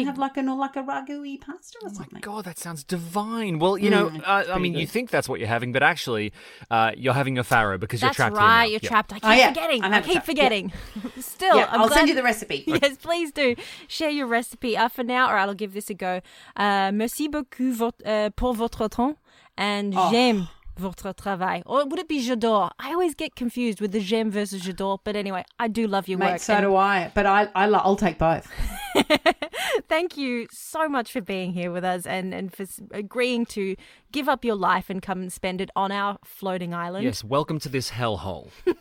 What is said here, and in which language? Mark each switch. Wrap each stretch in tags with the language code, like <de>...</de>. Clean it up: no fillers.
<en>And have like a ragu-y pasta or something. Oh my God, that sounds divine. Well, you know, you think that's what you're having, but actually you're having a farro because that's you're trapped right, here. That's right, you're trapped. I keep forgetting. I keep forgetting. Yeah. Still, yeah, I'll send you the recipe. Yes, please do. Share your recipe for now, or I'll give this a go.</en> <fr>Merci beaucoup pour votre temps and j'aime votre travail.</fr> <en>Or would it be j'adore? I always get confused with the j'aime versus j'adore, but anyway, I do love your mate, work. So do I, but I'll take both. Thank you so much for being here with us and for agreeing to give up your life and come and spend it on our floating island. Yes, welcome to this hellhole.</en>